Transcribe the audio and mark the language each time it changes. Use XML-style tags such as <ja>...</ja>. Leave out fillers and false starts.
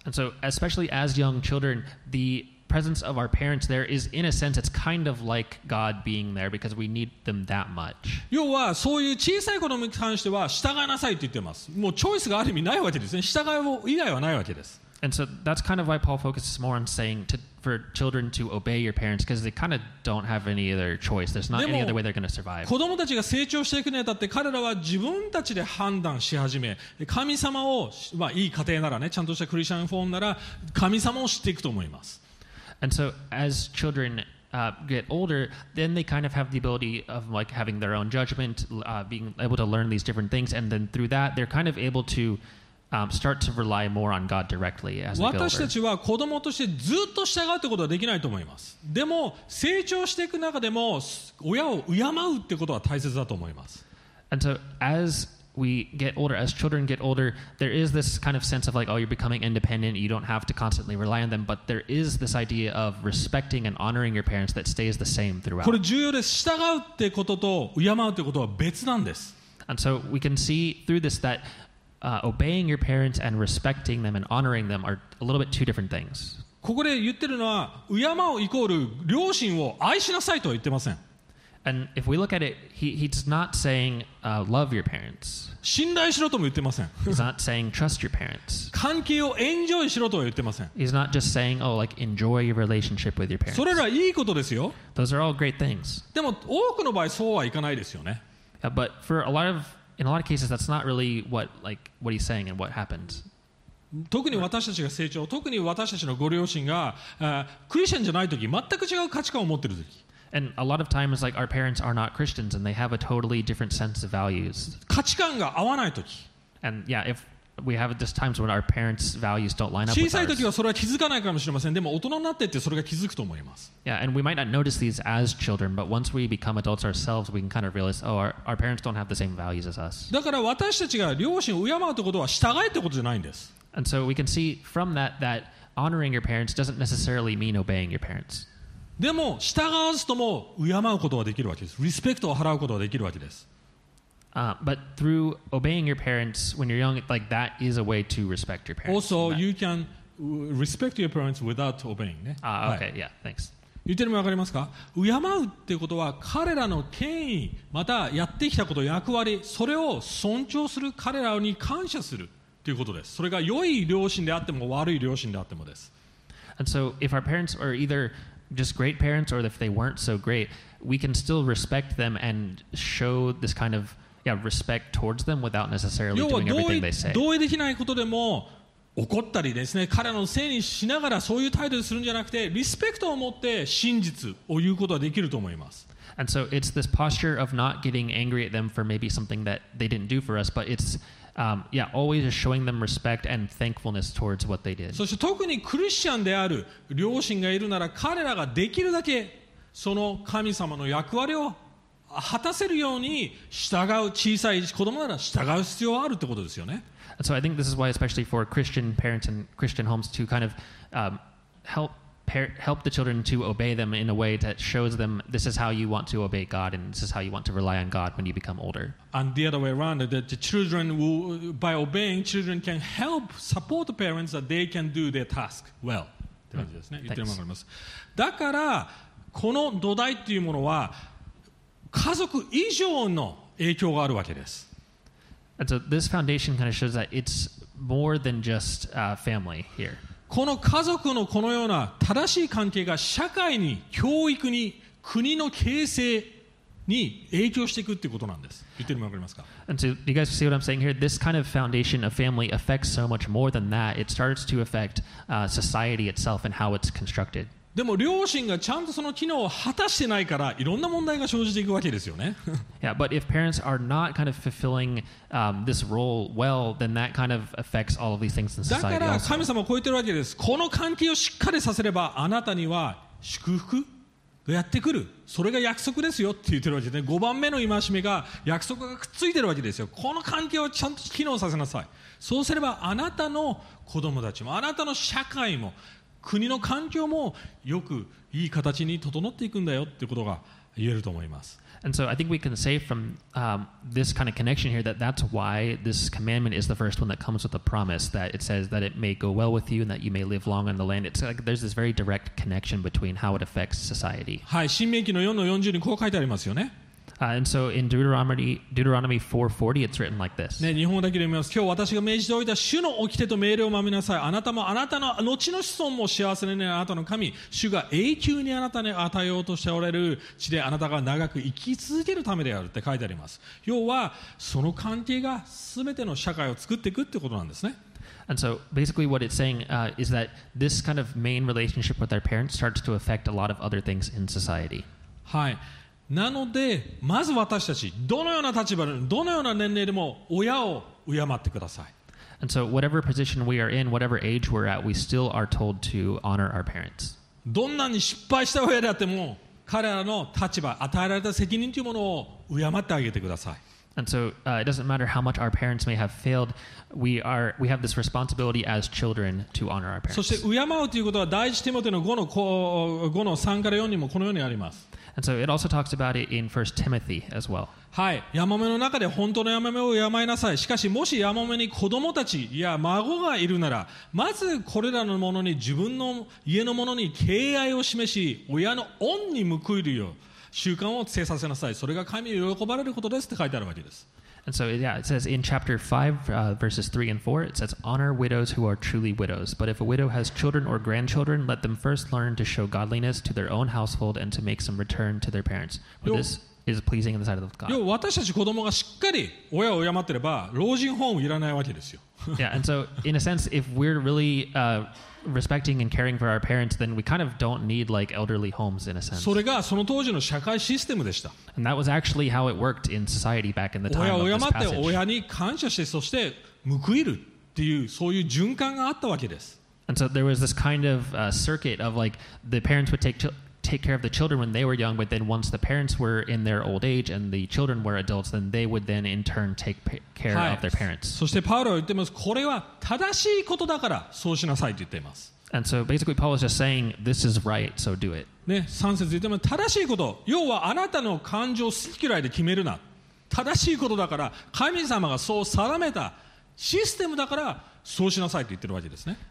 <en>And so especially as young children, the presence of our parents there is in a sense it's kind of like God being there because we need them that much.</en> <ja>要はそういう小さい子供に関しては従いなさいって言ってます。もうチョイスがある意味ないわけですね。従う以外はないわけです。</ja> <en>And so that's kind of why Paul focuses more on saying for children to obey your parents because they kind of don't have any other choice. There's not any other way they're going to survive.</en> <ja>子供たちが成長していくにあたって彼らは自分たちで判断し始め、神様をまあいい家庭ならね、ちゃんとしたクリスチャンフォームなら神様を知っていくと思います。</ja> <en>And so as children get older, then they kind of have the ability of like having their own judgment, being able to learn these different things, and then through that, they're kind of able to start to rely more on God directly as they get older.</en> <ja>私たちは子供としてずっと従うってことはできないと思います。でも成長していく中でも親を敬うってことは大切だと思います。</ja> <en>And so as we get older, as children get older, there is this kind of sense of like, oh, you're becoming independent, you don't have to constantly rely on them, but there is this idea of respecting and honoring your parents that stays the same throughout.</en> <ja>これ重要です。従うってことと敬うってことは別なんです。</ja> <en>And so we can see through this that obeying your parents and respecting them and honoring them are a little bit two different things.</en> <ja>ここで言ってるのは、敬うイコール両親を愛しなさいとは言ってません。</ja> <en>And if we look at it, he's not saying love your parents.</en> <ja>信頼しろとも言ってません。</ja> <en>He's not saying trust your parents.</en> <ja>関係をエンジョイしろとは言ってません。</ja> <en>He's not just saying oh like enjoy your relationship with your parents.</en> <ja>それらいいことですよ。</ja> <en>Those are all great things.</en> <ja>でも多くの場合そうはいかないですよね。</ja> <en>Yeah, but for a lot of in a lot of cases that's not really what like what he's saying and what happens.</en> <ja>特に私たちが成長、特に私たちのご両親がクリスチャンじゃないとき、全く違う価値観を持ってるとき。</ja> <en>And a lot of times, like our parents are not Christians, and they have a totally different sense of values.</en> <ja>価値観が合わない時。</ja> <en>And yeah, if we have these times when our parents' values don't line up.</en> <ja>小さい時はそれは気づかないかもしれません。でも大人になってってそれが気づくと思います。</ja> <en>Yeah, and we might not notice these as children, but once we become adults ourselves, we can kind of realize, oh, our parents don't have the same values as us.</en> <ja>だから私たちが両親を敬うということは従えってことじゃないんです。</ja> <en>And so we can see from that honoring your parents doesn't necessarily mean obeying your parents.</en> <ja>でも従わずとも敬うことはできるわけです。リスペクトを払うことはできるわけです。</ja> <en>But through obeying your parents when you're young, like that is a way to respect your parents. Also, you can respect your parents without obeying.</en> <ja>ね。</ja> <en>Okay, yeah, thanks.</en> <ja>言ってるのわかりますか？敬うっていうことは彼らの権威、またやってきたこと、役割、それを尊重する、彼らに感謝するっていうことです。それが良い両親であっても悪い両親であってもです。</ja> <en>And so if our parents are eitherjust great parents or if they weren't so great, we can still respect them and show this kind of Yeah, respect towards them without necessarily doing everything they say.</en> <ja>同意できないことでも怒ったりですね、彼のせいにしながらそういう態度をするんじゃなくて、リスペクトを持って真実を言うことはできると思います。</ja> <en>And so it's this posture of not getting angry at them for maybe something that they didn't do for us, but it's always showing them respect and thankfulness towards what they did.</en> <ja>そして特にクリスチャンである両親がいるなら、彼らができるだけその神様の役割を果たせるように従う、小さい子供なら従う必要はあるってことですよね。</ja> <en>And so I think this is why, especially for Christian parents and Christian homes, to kind of help the children to obey them in a way that shows them this is how you want to obey God and this is how you want to rely on God when you become older. And the other way around, that the children will, by obeying, children can help support the parents that they can do their task well. Thanks.</en> <ja>だからこの土台っていうものは家族以上の影響があるわけです。</ja> <en>And so this foundation kind of shows that it's more than just family here.</en> <ja>この家族のこのような正しい関係が社会に、教育に、国の形成に影響していくということなんです。言ってるのわかりますか?</ja> <en>And so you guys see what I'm saying here? This kind of foundation of family affects so much more than that. It starts to affect society itself and how it's constructed.</en> <ja>でも両親がちゃんとその機能を果たしてないから、いろんな問題が生じていくわけですよね。</ja> <en>Yeah, but if parents are not kind of fulfilling this role well, then that kind of affects all of these things in society.</en> <ja>だから神様はこう言ってるわけです。この関係をしっかりさせれば、あなたには祝福がやってくる。それが約束ですよって言ってるわけですね。5番目の戒めが約束がくっついてるわけですよ。この関係をちゃんと機能させなさい。そうすればあなたの子供たちも、あなたの社会も、国の環境もよくいい形に整っていくんだよってことが言えると思います。</ja> <en>And so I think we can say from this kind of connection here that that's why this commandment is the first one that comes with a promise that it says that it may go well with you and that you may live long on the land. It's like there's this very direct connection between how it affects society.</en> <ja>はい、新命記の4の40にこう書いてありますよね。</ja> <en>And so in Deuteronomy 4:40, it's written like this.</en> <ja>ね、日本だけで見ます。今日私が命じておいた主の掟と命令を守りなさい。あなたもあなたの後の子孫も幸せにね、あなたの神、主が永久にあなたに与えようとしておられる地であなたが長く生き続けるためであるって書いてあります。要はその関係が全ての社会を作っていくってことなんですね。</ja> <en>And so basically what it's saying is that this kind of main relationship with our parents starts to affect a lot of other things in society.</en> <ja>はい。なのでまず私たちどのような立場でどのような年齢でも親を敬ってください。</ja> <en>And so whatever position we are in, whatever age we're at, we still are told to honor our parents.</en> <ja>どんなに失敗した親であっても彼らの立場与えられた責任というものを敬ってあげてください。</ja> <en>And so it doesn't matter how much our parents may have failed, we have this responsibility as children to honor our parents.</en> <ja>そして敬うということは第一テモテの5:3-4にもこのようにあります。</ja> <en>And so it also talks about it in 1 Timothy as well.</en> <ja>はい、ヤマメの中で本当のヤマメを敬いなさい。しかしもしヤマメに子供たちいや孫がいるなら、まずこれらのものに自分の家のものに敬愛を示し、親の恩に報いるよう習慣をつけさせなさい。それが神に喜ばれることですって書いてあるわけです。</ja> <en>And so, yeah, it says in chapter 5, verses 3 and 4, it says, Honor widows who are truly widows. But if a widow has children or grandchildren, let them first learn to show godliness to their own household and to make some return to their parents. For this is pleasing in the sight of God.</en> <ja>要は私たち子供がしっかり親を敬ってれば、老人ホームいらないわけですよ。</ja> <en>Yeah, and so, in a sense, if we're really respecting and caring for our parents, then we kind of don't need like elderly homes in a sense.</en> <ja>それがその当時の社会システムでした。</ja> <en>And that was actually how it worked in society back in the time of this passage.</en> <ja>親を敬って親に感謝してそして報いるっていうそういう循環があったわけです。</ja> <en>And so there was this kind of circuit of like the parents would take care of the children when they were young, but then once the parents were in their old age and the children were adults, then they would then in turn take care of their parents.</en> <ja>そしてパウロは言っています。これは正しいことだからそうしなさいと言っています。</ja> <en>And so basically Paul is just saying, this is right, so do it.</en> <ja>ね、3節言っています。正しいこと。要はあなたの感情好き嫌いで決めるな。正しいことだから神様がそう定めたシステムだからそうしなさいと言ってるわけですね。</ja>